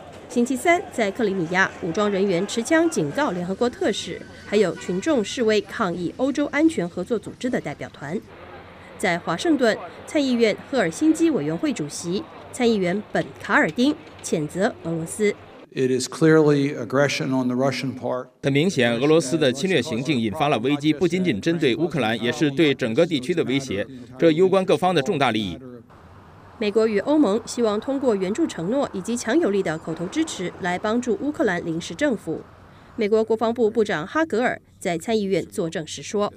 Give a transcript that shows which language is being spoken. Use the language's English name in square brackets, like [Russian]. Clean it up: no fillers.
[Chinese] 星期三，在克里米亚，武装人员持枪警告联合国特使，还有群众示威抗议欧洲安全合作组织的代表团。在华盛顿，参议院赫尔辛基委员会主席参议员本·卡尔丁谴责俄罗斯。 [English] It is clearly aggression on the Russian part. [Chinese] 很明显，俄罗斯的侵略行径引发了危机，不仅仅针对乌克兰，也是对整个地区的威胁，这攸关各方的重大利益。美国与欧盟希望通过援助承诺以及强有力的口头支持来帮助乌克兰临时政府。美国国防部部长哈格尔在参议院作证时说，